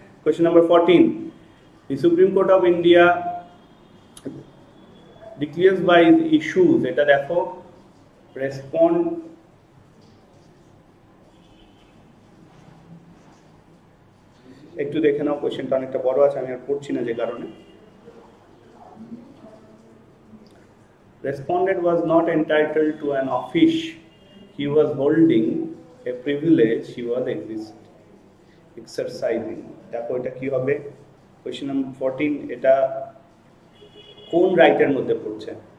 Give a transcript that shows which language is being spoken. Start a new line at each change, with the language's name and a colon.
English: question number 14, the supreme court of India declares by issues,
Bangla: এটা দেখো
English: respond
Bangla: একটু দেখে নাও, কোয়েশ্চেনটা অনেকটা বড় আছে, আমি আর পড়ছি না যে কারণে।
English: Respondent was not entitled to an office. He was holding a privilege he was exercising.
Bangla: দেখো এটা কি হবে, কোয়েশ্চেন নাম্বার 14, এটা কোন রাইটের মধ্যে পড়ছে?